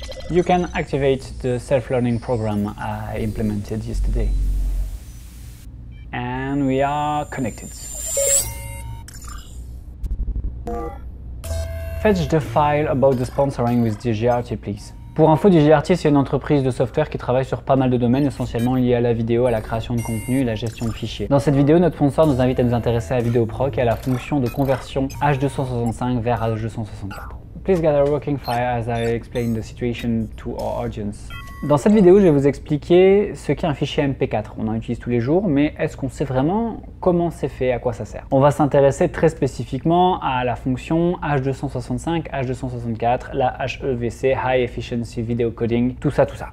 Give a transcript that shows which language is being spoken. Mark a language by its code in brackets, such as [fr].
[en] You can activate the self-learning program I implemented yesterday. And we are connected. Fetch the file about the sponsoring with DJRT, please. [fr] Pour info, DJRT, c'est une entreprise de software qui travaille sur pas mal de domaines, essentiellement liés à la vidéo, à la création de contenu et la gestion de fichiers. Dans cette vidéo, notre sponsor nous invite à nous intéresser à VideoProc et à la fonction de conversion H265 vers H264. [en] Please gather a working file as I explain the situation to our audience. [fr] Dans cette vidéo, je vais vous expliquer ce qu'est un fichier MP4. On en utilise tous les jours, mais est-ce qu'on sait vraiment comment c'est fait, à quoi ça sert? On va s'intéresser très spécifiquement à la fonction H265, H264, la HEVC, High Efficiency Video Coding, tout ça, tout ça.